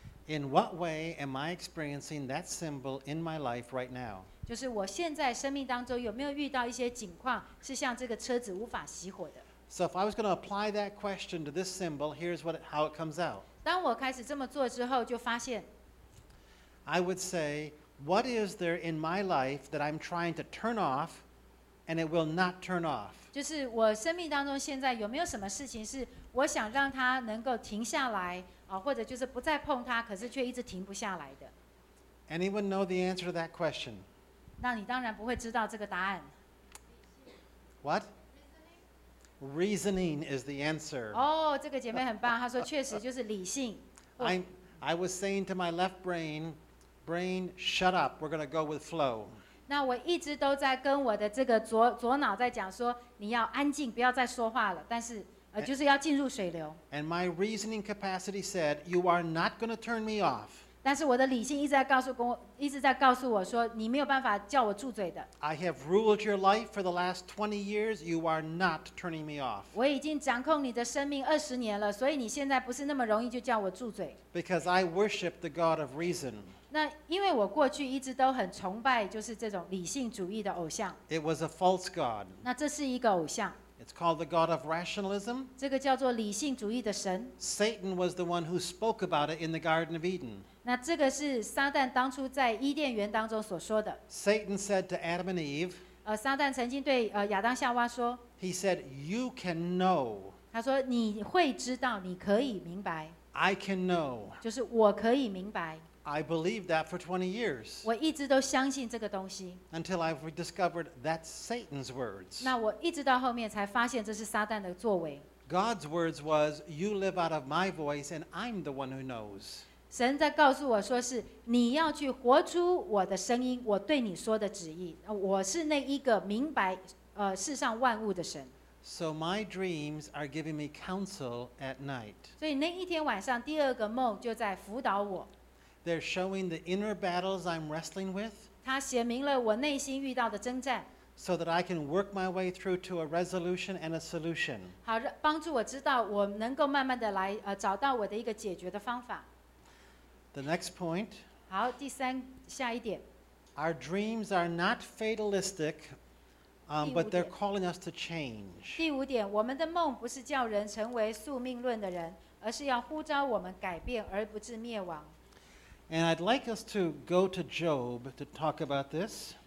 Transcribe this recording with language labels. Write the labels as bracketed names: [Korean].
[English] In what way am I experiencing that symbol in my life right now? [Chinese] 就是我现在生命当中有没有遇到一些情况是像这个车子无法熄火的？ [English] So if I was going to apply that question to this symbol, here's how it comes out. [Chinese] 当我开始这么做之后，就发现 [English] I would say, what is there in my life that I'm trying to turn off, and it will not turn off? [Chinese] 就是我生命当中现在有没有什么事情是我想让它能够停下来？或者就是不再碰它，可是却一直停不下来的。 [English] Anyone know the answer to that question? [Chinese] 那你当然不会知道这个答案。 [English] What? Reasoning is the answer. [Chinese] 这个姐妹很棒，她说确实就是理性。 [English] I was saying to my left brain, brain, shut up. We're going to go with flow. [Chinese] 那我一直都在跟我的这个左脑在讲说，你要安静，不要再说话了。但是就是要进入水流。 [English] And my reasoning capacity said, you are not going to turn me off. [Chinese] 但是我的理性一直在告诉我说，你没有办法叫我住嘴的。 [English] I have ruled your life for the last 20 years. You are not turning me off. [Chinese] 我已经掌控你的生命二十年了，所以你现在不是那么容易就叫我住嘴。 [English] Because I worship the God of reason. [Chinese] 那因为我过去一直都很崇拜就是这种理性主义的偶像。 [English] It was a false God. [Chinese] 那这是一个偶像。 [English] It's called the God of rationalism. [Chinese] 这个叫做理性主义的神。 [English] Satan was the one who spoke about it in the Garden of Eden. [Chinese] 那这个是撒旦当初在伊甸园当中所说的。 [English] Satan said to Adam and Eve. [Chinese] 撒旦曾经对亚当夏娃说。 [English] He said, "You can know." [Chinese] 他说你会知道，你可以明白。 [English] I can know. [Chinese] 就是我可以明白。 [English] I believed that for 20 years. [Chinese] 我一直都相信这个东西。 [English] Until I discovered that's Satan's words. [Chinese] 那我一直到后面才发现这是撒旦的作为。 [English] God's words was, "You live out of my voice, and I'm the one who knows." [Chinese] 神在告诉我说是你要去活出我的声音，我对你说的旨意。我是那一个明白世上万物的神。 [English] So my dreams are giving me counsel at night. [Chinese] 所以那一天晚上第二个梦就在辅导我。 [English] They're showing the inner battles I'm wrestling with. [Chinese] 它写明了我内心遇到的征战。 [English] So that I can work my way through to a resolution and a solution. [Chinese] 好，帮助我知道我能够慢慢的来找到我的一个解决的方法。 [English] The next point. [Chinese] 好，第三下一点。 [English] Our dreams are not fatalistic, but they're calling us to change. [Chinese] 第五点，我们的梦不是叫人成为宿命论的人，而是要呼召我们改变而不致灭亡。 [English] And I'd like us to go to Job to talk about this.